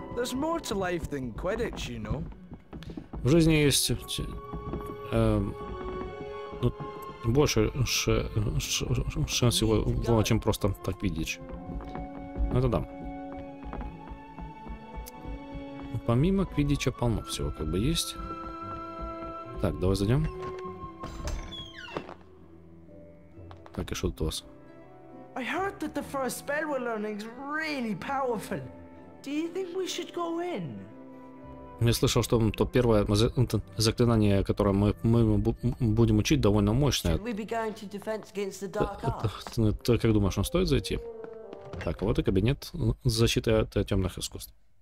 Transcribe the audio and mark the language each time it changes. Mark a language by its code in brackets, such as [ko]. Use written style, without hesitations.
[en] There's more to life than Quidditch, you know. [ru] В жизни есть больше шансов всего, чем просто так видеть. Это да. Помимо квиддича полно всего как бы есть. Так, давай зайдем. Так, и что тут у вас? [en] I heard that the first spell we're learning is really powerful. Do you think we should go in? [ru] Я слышал, что то первое заклинание, которое мы будем учить, довольно мощное. Ты как думаешь, он стоит зайти? Так, вот и кабинет защиты от темных искусств.